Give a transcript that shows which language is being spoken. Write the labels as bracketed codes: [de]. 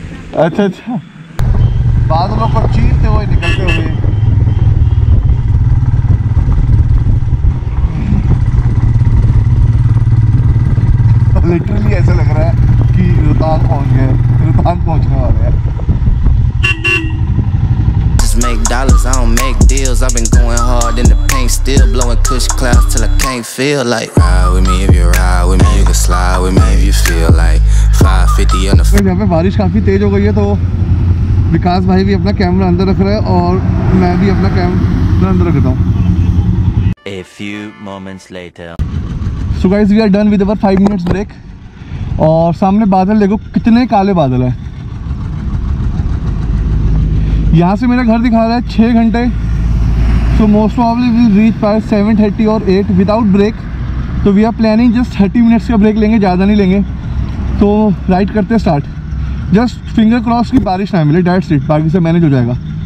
[hi] अच्छा अच्छा, बादलों पर चीरते हुए निकलते हुए। लिटरली ऐसा लग रहा है कि रोहतांग पहुंच गए, रोहतांग पहुंचने वाले हैं। [en] Make dollars, I don't make deals. I've been going hard in the paint, still blowing kush clouds till I can't feel like. Ride with me if you ride with me, you can slide with me if you feel like. 550 on the. [hi] यहाँ पे बारिश काफी तेज हो गई है, तो विकास भाई भी अपना कैमरा अंदर रख रहे हैं और मैं भी अपना कैमरा अंदर रखता हूँ। [en] A few moments later. So guys, we are done with our 5 minutes break. [hi] और सामने बादल देखो, कितने काले बादल हैं। यहाँ से मेरा घर दिखा रहा है 6 घंटे, [en] So most probably we reach पर 7:30 or 8 without break. [hi] तो [en] we are planning just [hi] 30 minutes का ब्रेक लेंगे, ज़्यादा नहीं लेंगे। तो राइड करते हैं स्टार्ट, [en] just finger cross [hi] की बारिश ना मिले डायरेक्ट स्ट्रीट, बाकी से मैनेज हो जाएगा।